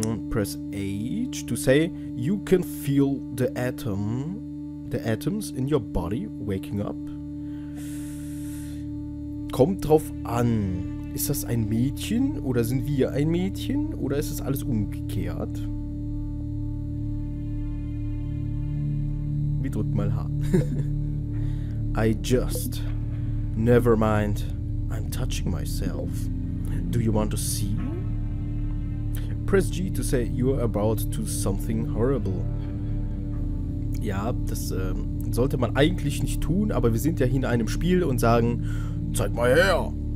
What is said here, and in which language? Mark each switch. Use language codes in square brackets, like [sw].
[en] Press H to say you can feel the atoms in your body waking up. [de] Kommt drauf an. Ist das ein Mädchen oder sind wir ein Mädchen oder ist das alles umgekehrt? Drück mal H. [en] I just. Never mind. I'm touching myself. Do you want to see? Press G to say you're about to something horrible. [de] Ja, das sollte man eigentlich nicht tun, aber wir sind ja hier in einem Spiel und sagen: Zeig mal her!